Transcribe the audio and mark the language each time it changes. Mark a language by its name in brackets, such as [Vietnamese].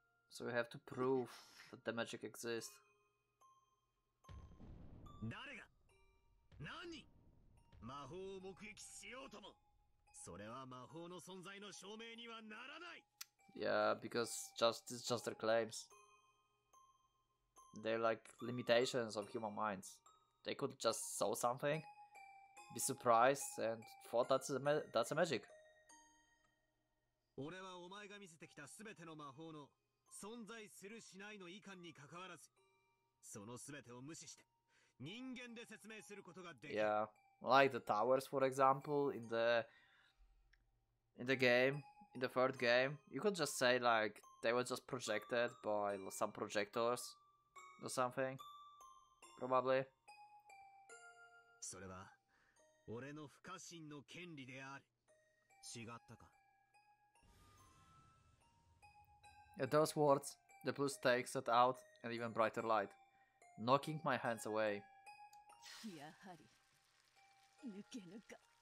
[English] So we have to prove that the magic exists. [Japanese] 誰が何人魔法を目撃しようともそれは魔法の存在の証明にはならない。 [English] Yeah, because it's just their claims. They're like limitations of human minds. They could just saw something, be surprised, and thought that's a magic. [Japanese] 俺はお前が見せてきた全ての魔法の存在するしないの遺憾に関わらず、その全てを無視して人間で説明することができる。 [English] Yeah, like the towers for example in the game, in the third game, you could just say like they were just projected by some projectors or something, probably. [Japanese] それは俺の不可侵の権利である。違ったか。 [English] At those words, the blue stake set out an even brighter light, knocking my hands away. [Japanese] やはり抜けぬか。